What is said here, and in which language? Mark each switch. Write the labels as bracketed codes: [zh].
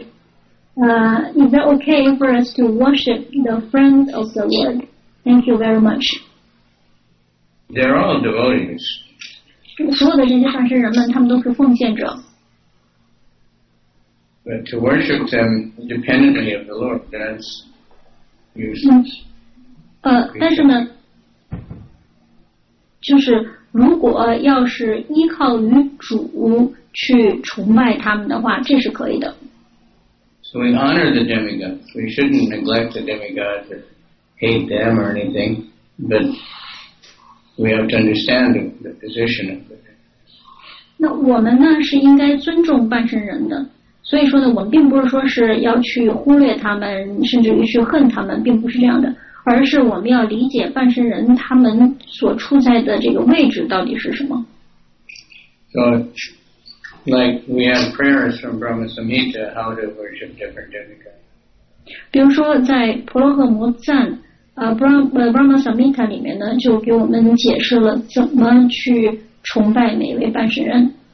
[en] Is that okay for us to worship the friends of the Lord? Thank you very much. They're all devotees. [zh] 所有的这些上师人们，他们都是奉献者。 [en] But to worship them independently of the Lord, that's useless. [zh] 但是呢，就是。如果要是依靠于主去崇拜他们的话，这是可以的。 [en] So we honor the demigods. We shouldn't neglect the demigods or hate them or anything, but we have to understand the position of them. [zh] 那我们呢是应该尊重半神人的，所以说呢，我们并不是说是要去忽略他们，甚至于去恨他们，并不是这样的。而是我们要理解半神人他们所处在的这个位置到底是什么。 [en] So, like we have prayers from Brahma Samhita, how to worship different demigods. [zh] 比如说在婆罗诃摩赞Brahma Samhita 里面呢，就给我们解释了怎么去崇拜每位半神人。